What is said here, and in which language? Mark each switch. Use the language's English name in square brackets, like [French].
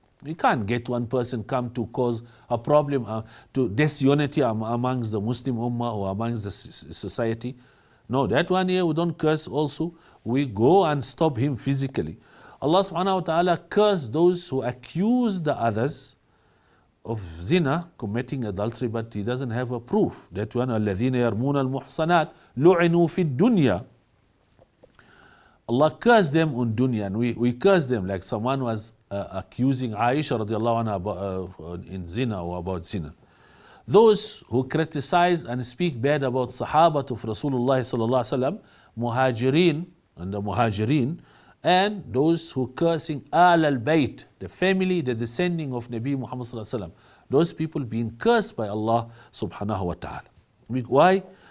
[English] We can't get one person come to cause a problem, to disunity amongst the Muslim ummah or amongst the society. No, that one here, we don't curse also. We go and stop him physically. Allah subhanahu wa ta'ala curse those who accuse the others of zina, committing adultery, but he doesn't have a proof. That one, [Arabic] الَّذِينَ يَرْمُونَ الْمُحْصَنَاتِ لُعِنُوا فِي الدُّنْيَا. [English] Allah cursed them on dunya, and we curse them, like someone was accusing Aisha radiallahu anha in zina or about zina. Those who criticize and speak bad about sahabat of Rasulullah sallallahu alayhi wa sallam, muhajirin and the muhajirin, and those who cursing Ahl al-Bayt, the family, the descending of Nabi Muhammad sallallahu alayhi wa sallam, those people being cursed by Allah subhanahu wa ta'ala. Why?